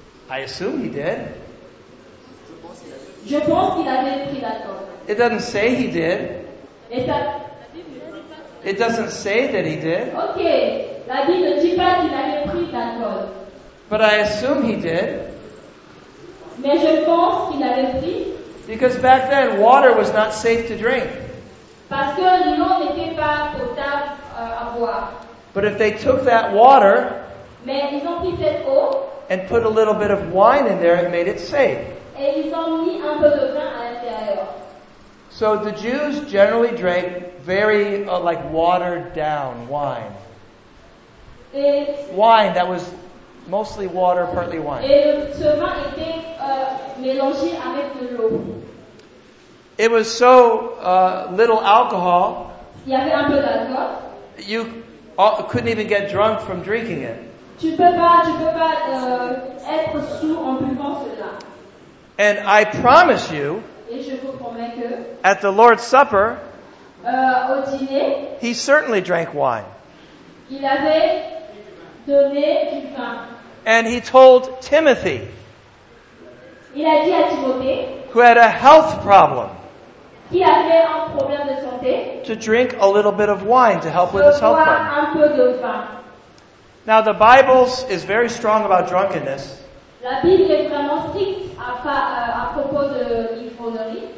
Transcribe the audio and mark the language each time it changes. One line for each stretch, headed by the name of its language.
English: I assume he did.
French: Je pense qu'il avait pris l'alcool.
English: It doesn't say he did.
French: Et ça,
English: it doesn't say that he did.
French: Okay, la Bible ne dit pas qu'il avait pris l'alcool.
English: But I assume he did.
French: Mais je pense qu'il avait pris.
English: Because back then, water was not safe to drink.
French: Parce que l'eau n'était pas potable à boire.
English: But if they took that water,
French: mais ils ont pris cette eau,
English: and put a little bit of wine in there and made it safe.
French: Et ils ont mis un peu de vin à l'intérieur.
English: So the Jews generally drank very like watered down wine. Wine that was mostly water, partly wine.
French: Et ce vin était mélangé avec de l'eau.
English: It was so little alcohol.
French: Il y avait un peu d'alcool.
English: You couldn't even get drunk from drinking it.
French: Tu peux pas être sous en buvant cela.
English: And I promise you,
French: et je vous promets que,
English: at the Lord's Supper,
French: au dîner,
English: he certainly drank wine.
French: Il avait donné du vin.
English: and he told Timothy,
French: il a dit à Timothée,
English: who had a health problem,
French: qui avait un problème de santé,
English: to drink a little bit of wine to help with his health problem.
French: Un peu de vin.
English: Now the Bible is very strong about drunkenness.
French: La Bible est vraiment stricte à propos de l'ivrognerie.